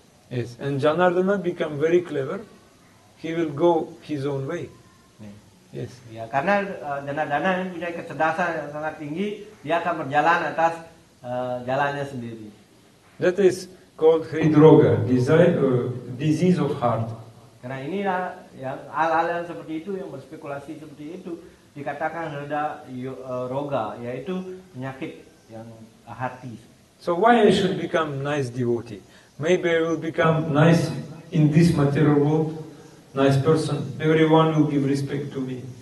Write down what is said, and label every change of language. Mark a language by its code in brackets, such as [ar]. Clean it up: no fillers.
[en] Yes, and Janardana become very clever. He will go his own way. Yes. [id] Ya, karena dana-dana yang punya kecerdasan yang sangat tinggi, dia akan berjalan atas jalannya sendiri. [en] That is called Hridroga, disease of heart. [id] Karena inilah yang hal-hal yang seperti itu, yang berspekulasi seperti itu dikatakan Hrida Roga, yaitu penyakit yang hati. [en] So why I should become nice devotee? Maybe I will become nice in this material world. Nice person, everyone will give respect to me.